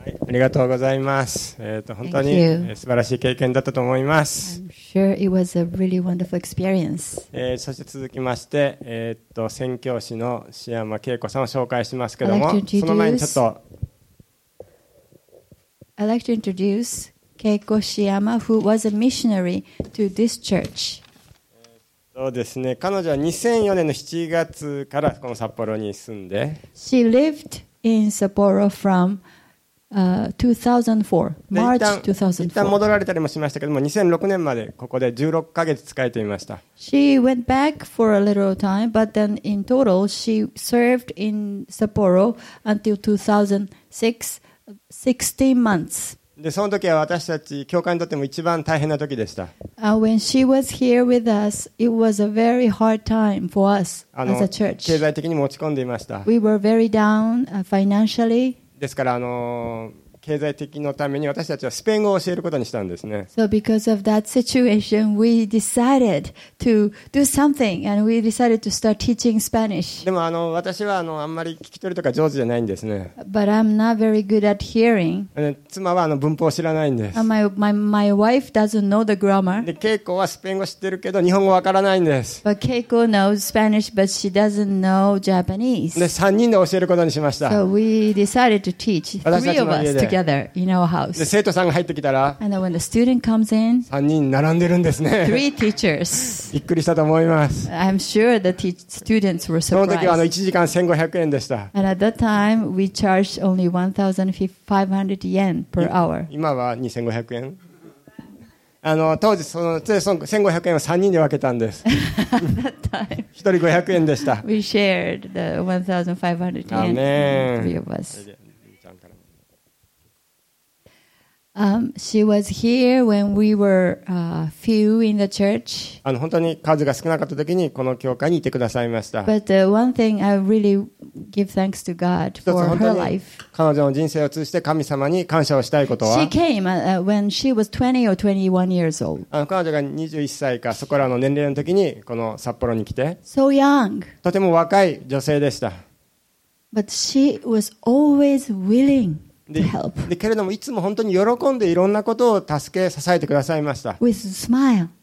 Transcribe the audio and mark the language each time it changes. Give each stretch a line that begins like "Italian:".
Japanese: ありがとうございます。本当に素晴らしい経験だったと思います。そして続きまして、宣教師の志山恵子さんを紹介しますけども、その前にちょっと。
English: I'd like to introduce Keiko Shiyama, who was a missionary to this church.
Japanese: そうですね。彼女は2004年の7月からこの札幌に住んで。
English: She lived in Sapporo from 2004, March 2004.
Japanese: 一旦戻られたりもしましたけども、2006年までここで16ヶ月仕えていました。
English: She went back for a little time, but then in total, she served in Sapporo until 2006. 16 months.
Japanese: でその時は私たち教会にとっても一番大変な時でした。
English: When she was here with us, it was a very hard time for us as a church.
Japanese: 経済的にも落ち込んでいました。
English: We were very down financially.
Japanese: ですから経済的のために私たちはスペイン語を教えることにしたんですね。
English: So because of that situation, we decided to do something, and we decided to start teaching Spanish.
Japanese: でも私はあんまり聞き取りとか上手じゃないんですね。
English: But I'm not very good at hearing.
Japanese: 妻は文法を知らないんです。
English: And my wife doesn't know the grammar.
Japanese: で、ケイコはスペイン語知ってるけど日本語わからないんです。
English: But Keiko knows Spanish, but she doesn't know Japanese.
Japanese: で、3人で教えることにしました。
English: So we decided to teach three of us. Together in our house.
Japanese: で生徒さんが入ってきたら、
English: and when the student comes in,
Japanese: 3人並んでるんですね。
English: Three teachers.
Japanese: びっくりしたと思います。
English: I'm sure the students were surprised.
Japanese: その時は1時間1500円でした。
English: And at that time, we charged only 1,500 yen per hour.
Japanese: 今は2,500 円。当時その1,500 円を3人で分けたんです。
English: At that time,
Japanese: 1人500円でした。
English: We shared the 1,500 yen. Amen. She was here when we were few in the church.
Japanese: 本当に数が少なかった時にこの教会にいてくださいました。
English: But one thing I really give thanks to God for her life.
Japanese: 彼女の人生を通じて神様に感謝をしたいことは。
English: She came when she was 20 or 21 years old.
Japanese: 彼女が21歳かそこらの年齢の時にこの札幌に来て。
English: So young.
Japanese: とても若い女性でした。
English: But she was always willing
Japanese: でけれどもいつも本当に喜んでいろんなことを助け支えてくださいました。
English: With a smile.